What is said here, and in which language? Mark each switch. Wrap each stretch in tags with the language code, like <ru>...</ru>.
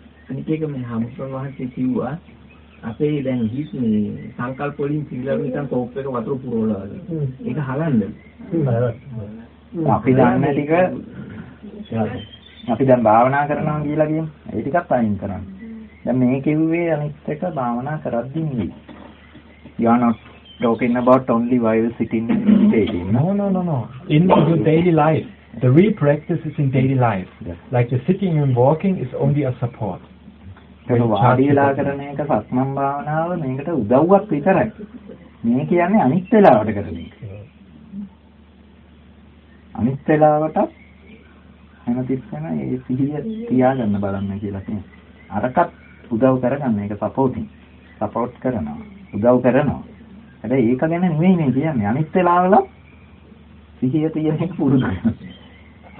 <si>අනිත් එක මේ හම්බුන වහන්සේ කිව්වා අපේ දැන් හිත මේ සංකල්ප වලින් පිළිලා නිකන් ටෝප් එක වතුර පුරවලා වගේ. ඒක හලන්න. අපි දැන් ටික අපි දැන් භාවනා කරනවා කියලා කියන්නේ. ඒ ටිකක් අයින් කරන්න. දැන් මේ කිව්වේ අනිත් එක භාවනා කරද්දී නෙවෙයි.</si> <en>You are not talking about only while sitting meditating. No. In your daily life, the real practice is in daily life. Yes. Like the sitting and walking is only a support.</en> <si>වාඩිලා කරන එක සක්මන් භාවනාව මේකට උදව්වක් විතරයි. මේ කියන්නේ අනිත් වෙලාවට කරන එක. අනිත් වෙලාවට හැමතිස්සෙම ඒ සිහිය තියාගන්න බලන්න කියලා කියන්නේ. අරකට උදව් කරගන්න එක සපෝටින් සපෝට් කරනවා උදව් කරනවා හැබැයි ඒක ගැන නෙවෙයි නේ කියන්නේ අනිත් වෙලාවල සිහිය තියෙන එක පුරුදු කරනවා</si>